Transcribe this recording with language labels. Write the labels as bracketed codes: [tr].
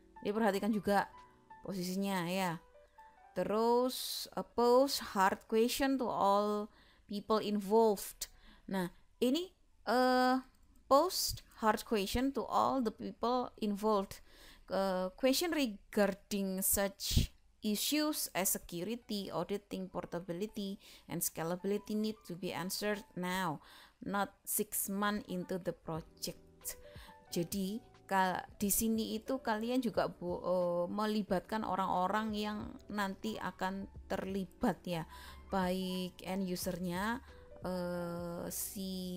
[id] Ini perhatikan juga posisinya ya. Terus [en] pose hard question to all people involved. [id] Nah ini [en] pose hard question to all the people involved. Question regarding such issues as security, auditing, portability, and scalability need to be answered now, not 6 months into the project. [id] Jadi di sini itu kalian juga melibatkan orang-orang yang nanti akan terlibat ya, baik end usernya, si